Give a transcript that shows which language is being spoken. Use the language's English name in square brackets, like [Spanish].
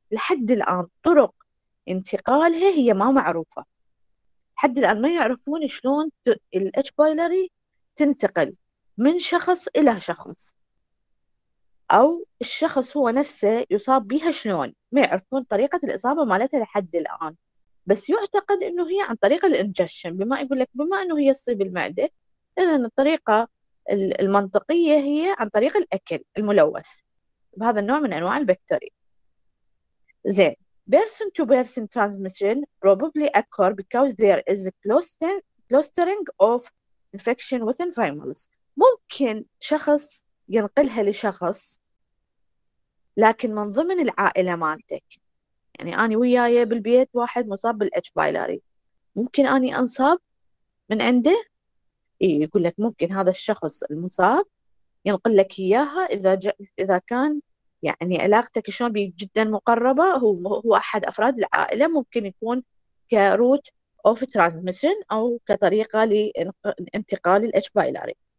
[Arabic] لحد الآن طرق انتقالها هي ما معروفة، لحد الآن ما يعرفون شلون ال H pylori تنتقل من شخص إلى شخص، أو الشخص هو نفسه يصاب بها شلون، ما يعرفون طريقة الإصابة مالتها لحد الآن. بس يعتقد إنه هي عن طريق الإنجشن، بما يقول لك بما إنه هي تصيب المعدة، إذن الطريقة المنطقية هي عن طريق الأكل الملوث بهذا النوع من أنواع البكتيريا. [English] زين، person to person transmission probably occur because there is a clustering of infection within families. [Arabic] ممكن شخص ينقلها لشخص لكن من ضمن العائلة مالتك، يعني أني وياي بالبيت واحد مصاب بالإتش بايلاري، ممكن أني أنصاب من عنده؟ يقول لك ممكن هذا الشخص المصاب ينقل لك إياها إذا كان يعني علاقتك شلون بي جدا مقربة، هو أحد أفراد العائلة، ممكن يكون [English] كروت of transmission [Arabic] أو كطريقة لانتقال الإتش بايلاري.